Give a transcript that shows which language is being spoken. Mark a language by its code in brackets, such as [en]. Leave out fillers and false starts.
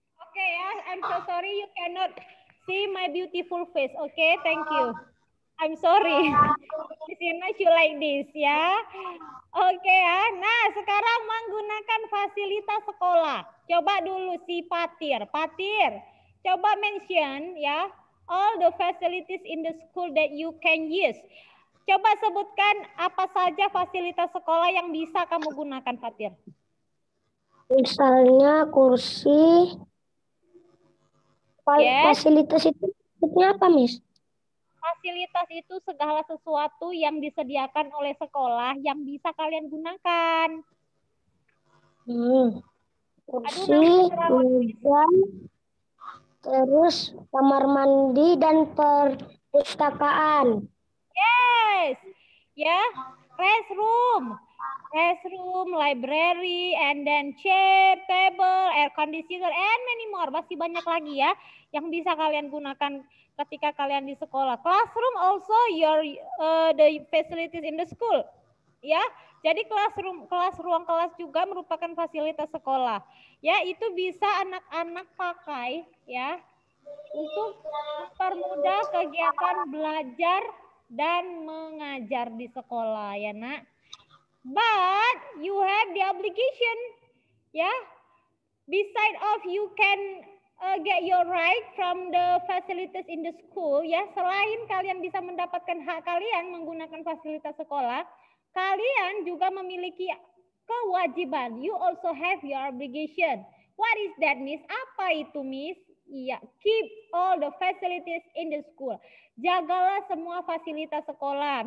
[en] Okay, yeah. I'm so sorry. You cannot see my beautiful face. Okay, thank you. I'm sorry. It's not you like this, ya. Yeah? Okay, ya. Yeah. [id] Nah, sekarang menggunakan fasilitas sekolah. Coba dulu si Patir. Patir, coba mention, ya. [en] Yeah, all the facilities in the school that you can use. [id] Coba sebutkan apa saja fasilitas sekolah yang bisa kamu gunakan, Patir. Misalnya kursi. Fasilitas itu maksudnya apa, Miss? Fasilitas itu segala sesuatu yang disediakan oleh sekolah yang bisa kalian gunakan. Kursi, meja, terus kamar mandi dan perpustakaan. [en] Yes, ya, restroom, restroom, library, and then chair, table, air conditioner, and many more. [id] Masih banyak lagi ya yang bisa kalian gunakan ketika kalian di sekolah. [en] Classroom also your the facilities in the school, ya. [id] Jadi classroom, kelas, ruang kelas juga merupakan fasilitas sekolah. Ya, itu bisa anak-anak pakai, ya, untuk mempermudah kegiatan belajar dan mengajar di sekolah, ya nak. [en] But you have the obligation, ya. Beside of you can get your right from the facilities in the school, ya. [id] Selain kalian bisa mendapatkan hak kalian menggunakan fasilitas sekolah, kalian juga memiliki kewajiban. [en] You also have your obligation. What is that, Miss? [id] Apa itu, Miss? [en] Iya, keep all the facilities in the school. [id] Jagalah semua fasilitas sekolah.